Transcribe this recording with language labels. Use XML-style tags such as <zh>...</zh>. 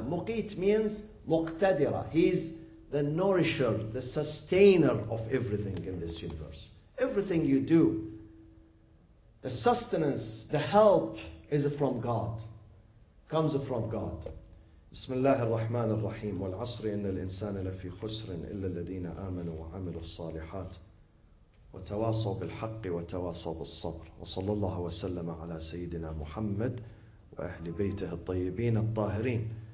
<ar>مقيت means مقتدرة.</ar> <en>He's the nourisher, the sustainer of everything in this universe. Everything you do, the sustenance, the help is from God, comes from God.</en> <ar>بسم الله الرحمن الرحيم والعصر إن الإنسان لفي خسر إلا الذين آمنوا وعملوا الصالحات وتواصوا بالحق وتواصوا بالصبر وصلى الله وسلم على سيدنا محمد وأهل بيته الطيبين الطاهرين.</ar>